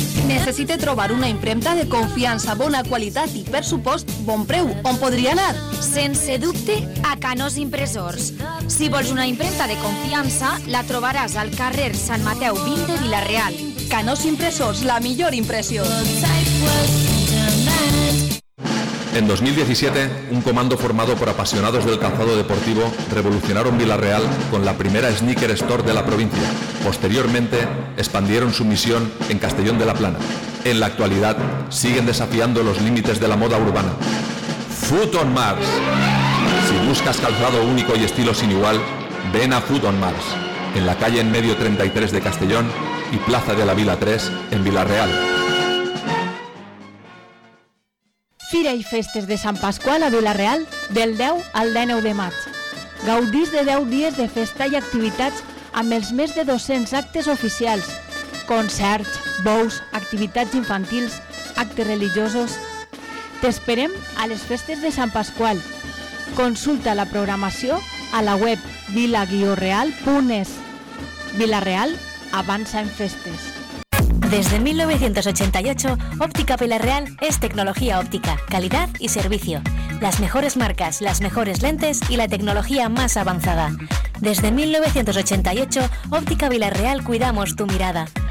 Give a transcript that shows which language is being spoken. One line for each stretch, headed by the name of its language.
Catalan: Necessite trobar una impremta de confiança, bona qualitat i, per supost, bon preu. On podria anar? Sense dubte, a Canós Impressors. Si vols una impremta de confiança, la trobaràs al carrer Sant Mateu 20 de Vila-real. Canós Impressors, la millor impressió.
Spanish: En 2017, un comando formado por apasionados del calzado deportivo revolucionaron Villarreal con la primera sneaker store de la provincia. Posteriormente, expandieron su misión en Castellón de la Plana. En la actualidad, siguen desafiando los límites de la moda urbana. Foot on Mars. Si buscas calzado único y estilo sin igual, ven a Foot on Mars, en la calle En Medio 33 de Castellón y Plaza de la Vila 3 en Villarreal.
Catalan: Fira i festes de Sant Pasqual a Vila-real del 10 al 19 de maig. Gaudís de 10 dies de festa i activitats amb els més de 200 actes oficials. Concerts, bous, activitats infantils, actes religiosos. T'esperem a les festes de Sant Pasqual. Consulta la programació a la web vila-real.es. Vila-real avança en festes.
Spanish: Desde 1988, Óptica Vila-real es tecnología óptica, calidad y servicio. Las mejores marcas, las mejores lentes y la tecnología más avanzada. Desde 1988, Óptica Vila-real cuidamos tu mirada.